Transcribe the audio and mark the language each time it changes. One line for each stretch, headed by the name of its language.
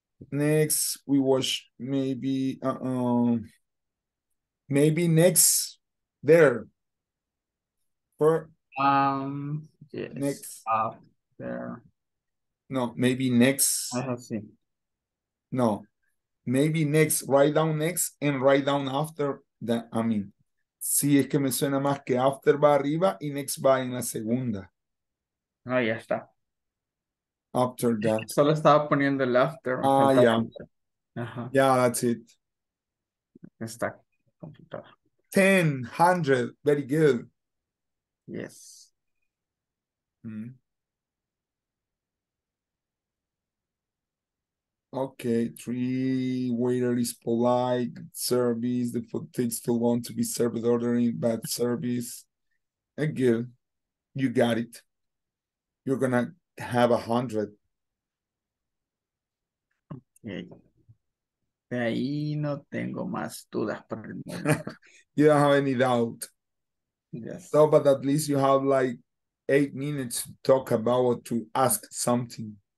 English: Next, we watch maybe, maybe next, there. For, yes. Next. There. No, maybe next. I have seen. No, maybe next, write down next and write down after that, I mean.
Spanish: Sí, es que me suena más que after va arriba y next va en la segunda. Ah, ya está.
English: After that.
Spanish: Solo estaba poniendo el after. Ah, ya.
English: Yeah. Yeah, that's it.
Spanish: Está.
English: 10, 100, very good. Yes. Okay, three, waiter is polite, service, the food takes too long to be served, ordering bad service. Again, you got it. You're gonna have 100. Okay.
Spanish: De ahí no tengo más dudas por el momento.
English: You don't have any doubt. Yes. So, but at least you have like 8 minutes to talk about or to ask something.